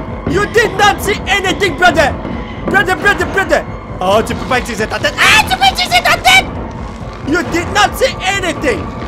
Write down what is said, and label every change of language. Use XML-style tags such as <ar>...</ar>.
<en>You did not see anything, brother. Brother.</en> <fr>Oh, tu peux pas utiliser ta tête. Ah, tu peux utiliser ta tête.</fr> <en>You did not see anything.</en>